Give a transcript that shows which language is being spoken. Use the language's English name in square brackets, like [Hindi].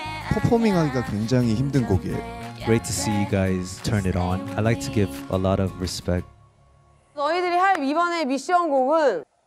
[Korean] 퍼포밍하기가 굉장히 힘든 곡이에요. [English] Great to see you guys turn it on. I like to give a lot of respect. [Korean] 너희들이 할 이번에 미션 곡은 어?